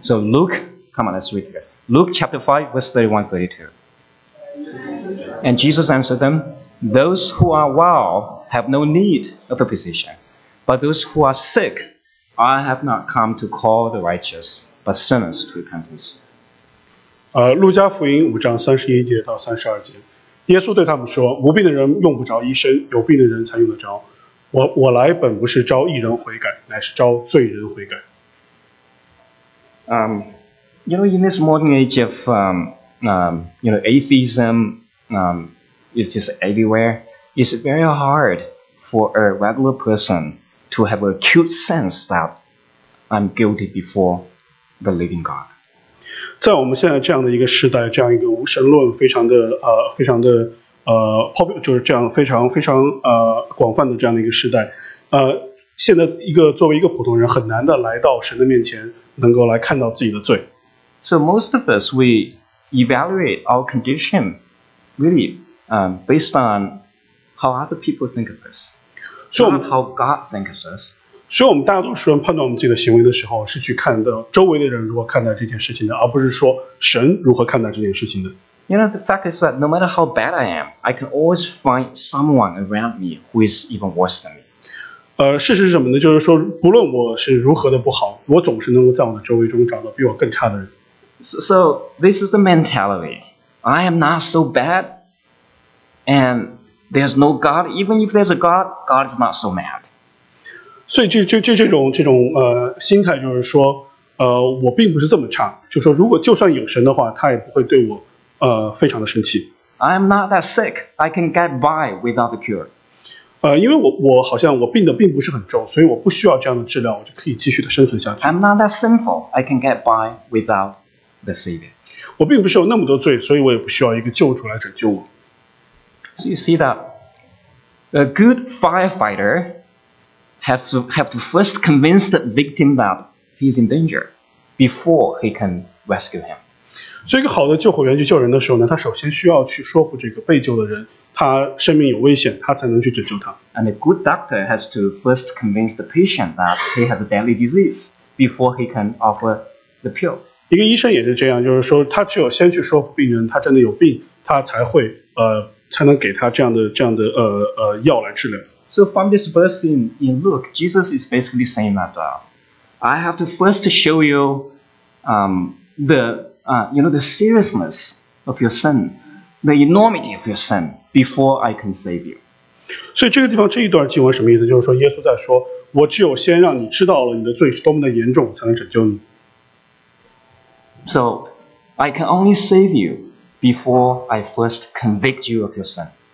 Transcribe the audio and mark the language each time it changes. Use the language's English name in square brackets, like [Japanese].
[English] So Luke, come on, let's read it. Luke chapter 5, verse 31-32. And Jesus answered them, Those who are well have no need of a physician, but those who are sick, I have not come to call the righteous, but sinners to repentance. [Chinese] 路加福音五章三十一节到三十二节，耶稣对他们说，无病的人用不着医生，有病的人才用得着。我来本不是招义人悔改，乃是招罪人悔改。 [English] You know, in this modern age of you know, atheism is just everywhere, it's very hard for a regular person to have a acute sense that I'm guilty before the living God. [Chinese] 在我们现在这样的一个时代，这样一个无神论非常的非常的就是这样非常非常广泛的这样的一个时代，现在一个作为一个普通人很难的来到神的面前，能够来看到自己的罪。 [English] So most of us, we evaluate our condition really based on how other people think of us, not how God thinks of us. [Chinese] 所以我们大多数人判断我们自己的行为的时候，是去看到周围的人如何看待这件事情的，而不是说神如何看待这件事情的。 [English] You know, the fact is that no matter how bad I am, I can always find someone around me who is even worse than me. [Chinese] 事实是什么呢？就是说，不论我是如何的不好，我总是能够在我的周围中找到比我更差的人。 [English] So this is the mentality. I am not so bad, and there's no God. Even if there's a God, God is not so mad. [Chinese] 所以这种心态就是说，我并不是这么差。就说如果就算有神的话，他也不会对我非常的生气。 [English] I am not that sick. I can get by without the cure. [Chinese] 因为我好像我病的并不是很重，所以我不需要这样的治疗，我就可以继续的生存下去。 [English] I'm not that sinful. I can get by without the Savior. [Chinese] 我并不是有那么多罪，所以我也不需要一个救主来拯救我。 [English] So you see that a good firefighter have to first convince the victim that he's in danger before he can rescue him. [Chinese] 所以一个好的救火员去救人的时候呢，他首先需要去说服这个被救的人，他生命有危险，他才能去拯救他。 [English] And a good doctor has to first convince the patient that he has a deadly disease before he can offer the pill. [Chinese] 一个医生也是这样，就是说他只有先去说服病人，他真的有病，他才会才能给他这样的药来治疗。 [English] So from this verse in Luke, Jesus is basically saying that I have to first show you the seriousness of your sin, the enormity of your sin before I can save you. [Chinese] 所以这个地方这一段经文什么意思？就是说耶稣在说，我只有先让你知道了你的罪是多么的严重，才能拯救你。 [English] So I can only save you before I first convict you of your sin.